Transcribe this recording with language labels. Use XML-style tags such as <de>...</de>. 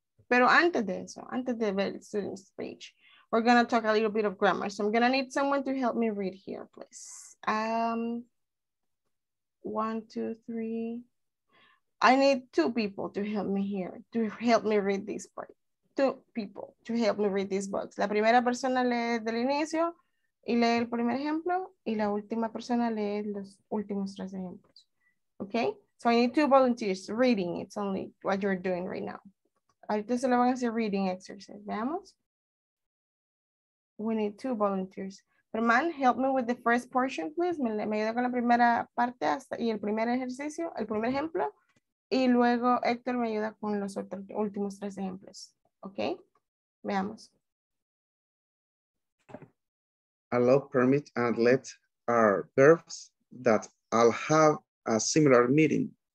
<es>Pero antes de ver students page.</es> <en>We're gonna talk a little bit of grammar. So I'm gonna need someone to help me read here, please. 1, 2, 3. I need 2 people to help me here, to help me read this part. 2 people to help me read this box.</en> <es>La primera persona lee del inicio y lee el primer ejemplo y la última persona lee los últimos 3 ejemplos.</es> <en>Okay, so I need 2 volunteers reading. It's only what you're doing right now.</en> <es>Ahorita se lo van a hacer</es> <en>reading exercise,</en> <es>veamos.</es> <en>We need 2 volunteers. Herman, help me with the first portion, please.</en> <es>Me ayuda con la primera parte hasta y el primer ejercicio, el primer ejemplo. Y luego Héctor me ayuda con los otros últimos 3 ejemplos. Okay? Veamos.</es> <en>Allow, permit, and let are verbs that all have a similar meaning.</en>